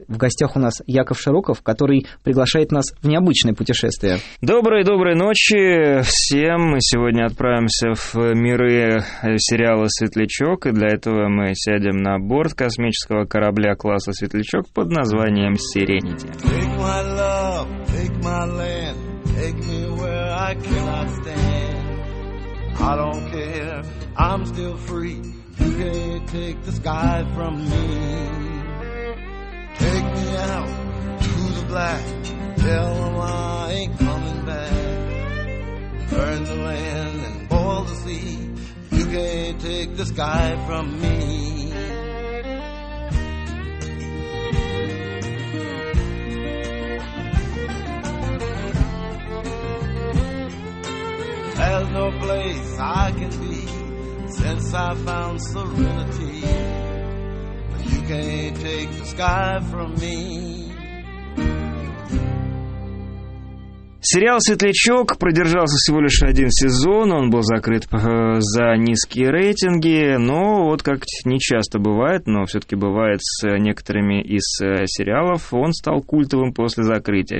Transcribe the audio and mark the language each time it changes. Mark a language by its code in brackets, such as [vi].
[ru] В гостях у нас Яков Широков, который приглашает нас в необычное путешествие. Доброй ночи всем. Мы сегодня отправимся в миры сериала «Светлячок», и для этого мы сядем на борт космического корабля класса «Светлячок» под названием «Сиренити». [en] Take my love, take my land. Take me where I cannot stand. I don't care, I'm still free. You can't take the sky from me. Take me out to the black. Tell them I ain't coming back. Burn the land and boil the sea. You can't take the sky from me. There's no place I can be since I found serenity. But you can't take the sky from me. [ru] Сериал «Светлячок» продержался всего лишь один сезон, он был закрыт за низкие рейтинги, но вот как не часто бывает, но все-таки бывает с некоторыми из сериалов, он стал культовым после закрытия.